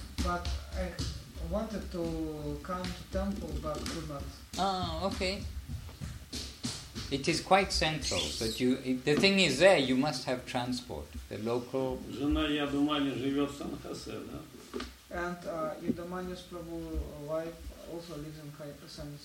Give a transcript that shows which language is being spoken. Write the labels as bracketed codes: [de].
[en] But I wanted to come to temple but could not. Ah, okay. It is quite central, but the thing is there you must have transport. The local [ru] жена Ядумани живет в Сан-Хосе, да? [en] And Yudhamanya's Prabhu wife also lives in Kaipasana.